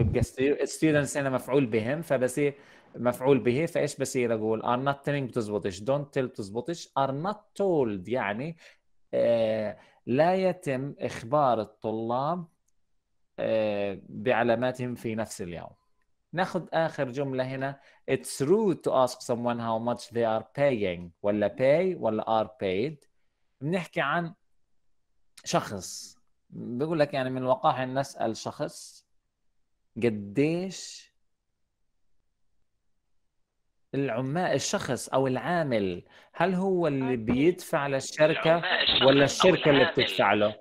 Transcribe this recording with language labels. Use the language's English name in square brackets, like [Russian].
[Arabic] يبقى students أنا مفعول بهم، فبصير مفعول به، فإيش بصير أقول؟ [English] are not telling [Arabic] بتزبطش، [English] don't tell [Arabic] بتزبطش، [English] are not told [Arabic] يعني لا يتم إخبار الطلاب بعلاماتهم في نفس اليوم. ناخذ آخر جملة هنا. [English] It's rude to ask someone how much they are paying ولا pay ولا are paid. [Arabic] بنحكي عن شخص، بيقول لك يعني من الوقاحة أن نسأل شخص قديش العمال، الشخص أو العامل، هل هو اللي بيدفع للشركة ولا الشركة اللي بتدفع له؟